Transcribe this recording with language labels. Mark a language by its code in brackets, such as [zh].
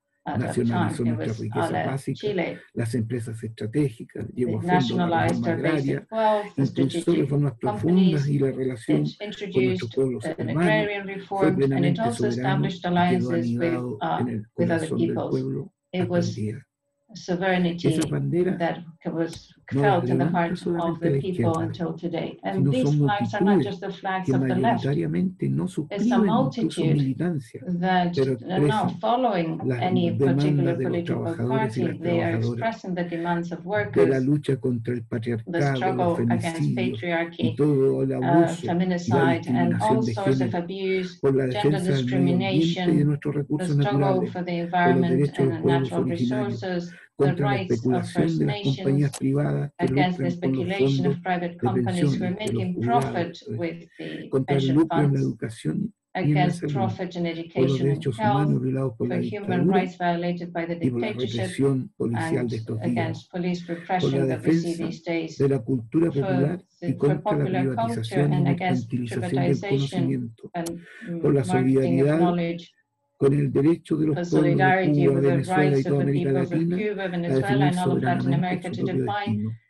[es] Nacionalizó nuestra riqueza básica, las empresas estratégicas, llevó a fondo la reforma agraria, impulsó reformas profundas y la relación con nuestros pueblos hermanos, fue plenamente soberano y quedó anidado en el corazón del pueblo aprendida. [en] Sovereignty that was felt in the hearts of the people until today. And these flags are not just the flags of the left. It's a multitude that are not following any particular political party. They are expressing the demands of workers, the struggle against patriarchy, feminicide, and all sorts of abuse, gender discrimination, the struggle for the environment and the natural resources, [es] contra la especulación de las compañías privadas que lucran con los fondos de pensiones, de los jubilados, contra el lucro en la educación y en la salud, por los derechos humanos violados por la dictadura y por la represión policial de estos días, por la defensa de la cultura popular y contra la privatización y mercantilización del conocimiento, por la solidaridad con el derecho de los pueblos de Cuba, Venezuela y toda América Latina a definir soberanamente su propio destino.